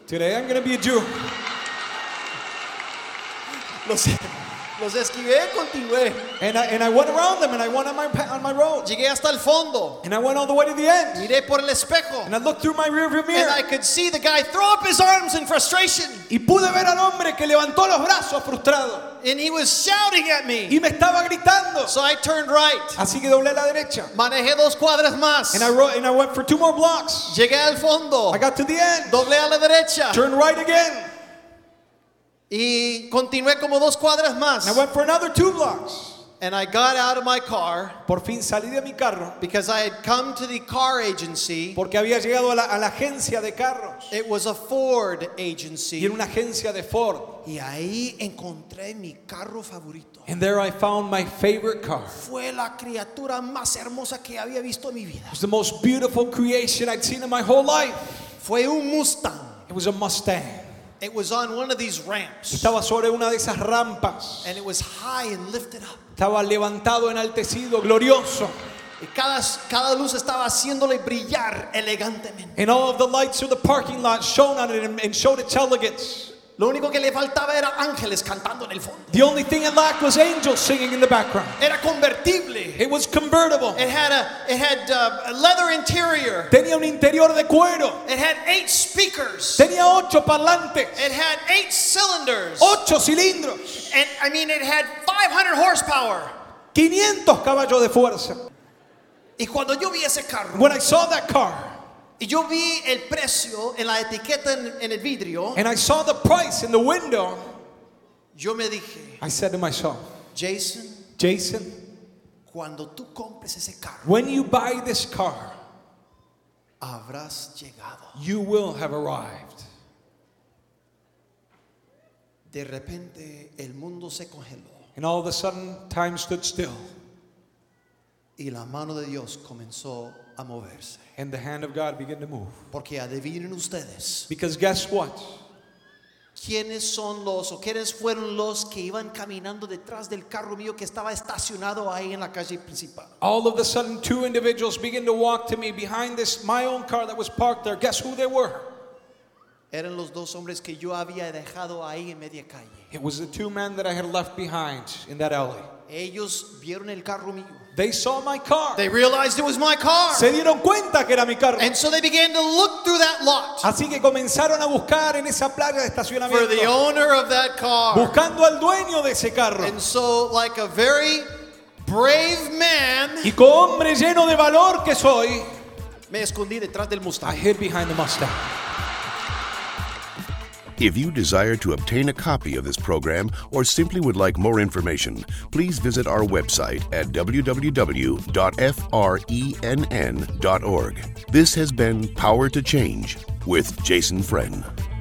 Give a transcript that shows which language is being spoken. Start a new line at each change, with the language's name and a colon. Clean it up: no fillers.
English: Today I'm going to be a Jew.
Spanish: Los esquivé, continué.
English: And I went around them and I went on my road.
Spanish: Llegué hasta el fondo.
English: And I went all the way to the end.
Spanish: Miré por el espejo.
English: And I looked through my rearview mirror. And I could see the guy throw up his arms in frustration.
Spanish: Y pude ver al hombre que levantó los brazos frustrado.
English: And he was shouting at me.
Spanish: Y me estaba gritando.
English: So I turned right.
Spanish: Así que doblé a la derecha. Manejé dos cuadras más.
English: And I went for two more blocks.
Spanish: Llegué al fondo.
English: I got to the end.
Spanish: Doblé a la derecha.
English: Turned right again.
Spanish: Y continué como dos cuadras más.
English: And I went for another two blocks. And I got out of my car.
Spanish: Por fin salí de mi carro.
English: Because I had come to the car agency.
Spanish: Porque había llegado a la agencia de carros.
English: It was a Ford agency.
Spanish: Y era una agencia de Ford. Y ahí encontré mi carro favorito.
English: And there I found my favorite car.
Spanish: Fue la criatura más hermosa que había visto en mi vida.
English: It was the most beautiful creation I'd seen in my whole life.
Spanish: Fue un Mustang.
English: It was a Mustang. It was on one of these ramps.
Spanish: Estaba sobre una de esas rampas.
English: And it was high and lifted up.
Spanish: Estaba levantado, enaltecido, glorioso. Y cada luz estaba haciéndole brillar elegantemente.
English: And all of the lights of the parking lot shone on it and showed its elegance.
Spanish: Lo único que le faltaba era ángeles cantando en el fondo.
English: The only thing it lacked was angels singing in the background.
Spanish: Era convertible.
English: It was convertible. It had a leather interior.
Spanish: Tenía un interior de cuero.
English: It had 8 speakers.
Spanish: Tenía 8 parlantes.
English: It had 8 cylinders.
Spanish: 8 cilindros.
English: And I mean, it had 500 horsepower.
Spanish: 500 caballos de fuerza. Y cuando yo vi ese carro.
English: When I saw that car.
Spanish: Y yo vi el precio en la etiqueta en el vidrio.
English: And I saw the price in the window.
Spanish: Yo me dije.
English: I said to myself,
Spanish: Jason, cuando tú compres ese carro.
English: When you buy this car,
Spanish: habrás llegado.
English: You will have arrived.
Spanish: De repente el mundo se congeló.
English: And all of a sudden time stood still.
Spanish: Y la mano de Dios comenzó a moverse.
English: And the hand of God began to move.
Spanish: Porque adivinen ustedes.
English: Because guess what?
Spanish: ¿Quiénes son los o quiénes fueron los que iban caminando detrás del carro mío que estaba estacionado ahí en la calle principal?
English: All of a sudden, two individuals began to walk to me behind this my own car that was parked there. Guess who they were?
Spanish: Eran los dos hombres que yo había dejado ahí en media calle.
English: It was the two men that I had left behind in that alley.
Spanish: Ellos vieron el carro mío.
English: They saw my car. They realized it was my car.
Spanish: Se dieron cuenta que era mi carro.
English: And so they began to look through that lot.
Spanish: Así que comenzaron a buscar en esa plaza de estacionamiento.
English: For the owner of that car.
Spanish: Buscando al dueño de ese carro.
English: And so, like a very brave man.
Spanish: Y como hombre lleno de valor que soy, me escondí detrás del Mustang.
English: I hid behind the Mustang. If you desire to obtain a copy of this program or simply would like more information, please visit our website at www.frenn.org. This has been Power to Change with Jason Friend.